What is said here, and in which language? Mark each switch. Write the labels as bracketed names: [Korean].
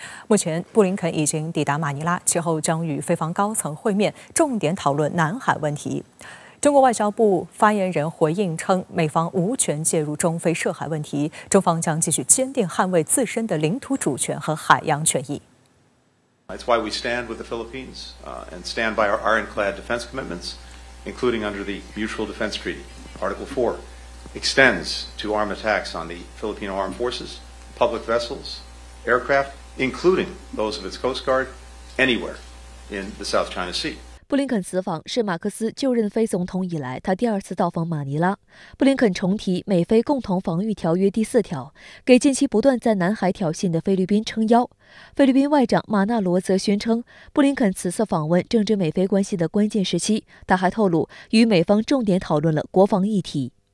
[Chinese] 目前布林肯已经抵达马尼拉，其后将与菲方高层会面，重点讨论南海问题。中国外交部发言人回应称，美方无权介入中非涉海问题，中方将继续坚定捍卫自身的领土主权和海洋权益。 [English] That's why we stand with the Philippines, and stand by our ironclad defense commitments, including under the Mutual Defense Treaty. Article 4 extends to armed attacks on the Filipino armed forces, public vessels, aircraft, including those of its Coast Guard, anywhere in the South China Sea. [Chinese] 布林肯此访是马克思就任非总统以来他第二次到访马尼拉。布林肯重提美菲共同防御条约第四条，给近期不断在南海挑衅的菲律宾撑腰。菲律宾外长马纳罗则宣称，布林肯此次访问正值美菲关系的关键时期，他还透露与美方重点讨论了国防议题。